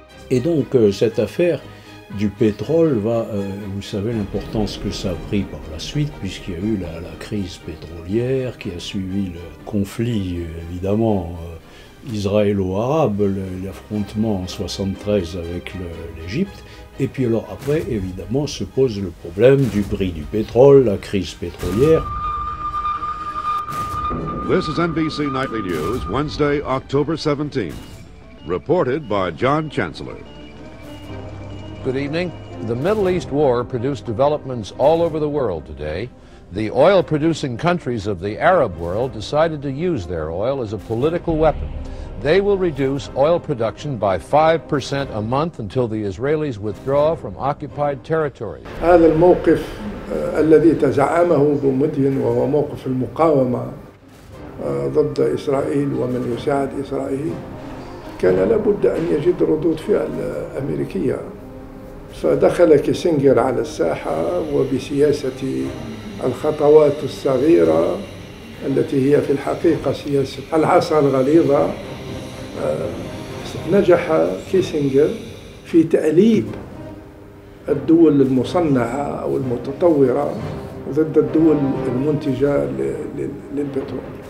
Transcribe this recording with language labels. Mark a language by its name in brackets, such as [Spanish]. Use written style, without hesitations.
[French] Et donc, cette affaire du pétrole va, vous savez l'importance que ça a pris par la suite, puisqu'il y a eu la crise pétrolière qui a suivi le conflit, évidemment, israélo-arabe, l'affrontement en 73 avec l'Égypte. Et puis alors après, évidemment, se pose le problème du prix du pétrole, la crise pétrolière. [English] This is NBC Nightly News, Wednesday, October 17th. Reported by John Chancellor. Good evening. The Middle East war produced developments all over the world today. The oil-producing countries of the Arab world decided to use their oil as a political weapon. They will reduce oil production by 5% a month until the Israelis withdraw from occupied territory. [Arabic] هذا الموقف الذي تزعمه بومدين وهو موقف المقاومة ضد إسرائيل ومن يساعد إسرائيل كان لابد أن يجد ردود فعل أمريكية فدخل كيسنجر على الساحة وبسياسة الخطوات الصغيرة التي هي في الحقيقة سياسة العصا الغليظة، نجح كيسنجر في تأليب الدول المصنعة أو المتطورة ضد الدول المنتجة للبترول.